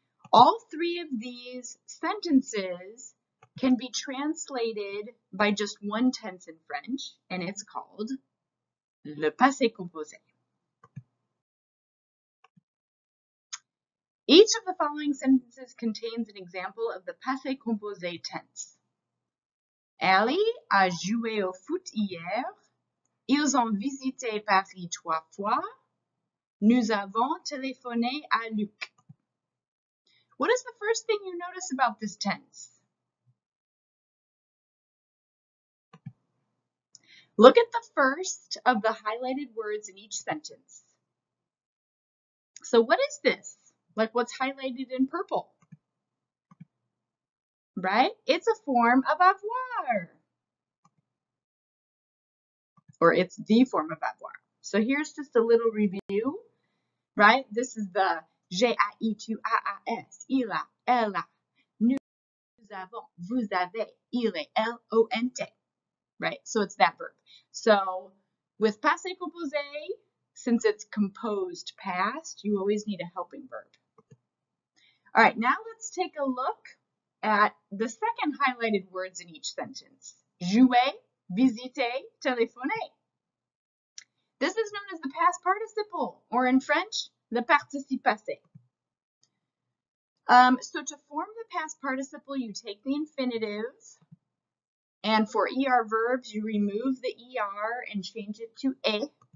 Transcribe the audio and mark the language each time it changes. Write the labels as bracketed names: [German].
[English] All three of these sentences can be translated by just one tense in French, and it's called le passé composé. Each of the following sentences contains an example of the passé composé tense. [French] Ellie a joué au foot hier. Ils ont visité Paris trois fois. Nous avons téléphoné à Luc. [English] What is the first thing you notice about this tense? Look at the first of the highlighted words in each sentence. So what is this? Like what's highlighted in purple? Right? It's a form of avoir. Or it's the form of avoir. So here's just a little review, right? This is the J A E T U A A S, [French] il a, elle a, nous avons, vous avez, il est, elle, on était. [English] Right? So it's that verb. So with passé composé, since it's composed past, you always need a helping verb. All right, now let's take a look at the second highlighted words in each sentence. [French] Jouer, visiter, téléphoner. [English] This is known as the past participle, or in French, le participe passé. So to form the past participle, you take the infinitive, and for ER verbs, you remove the ER and change it to a.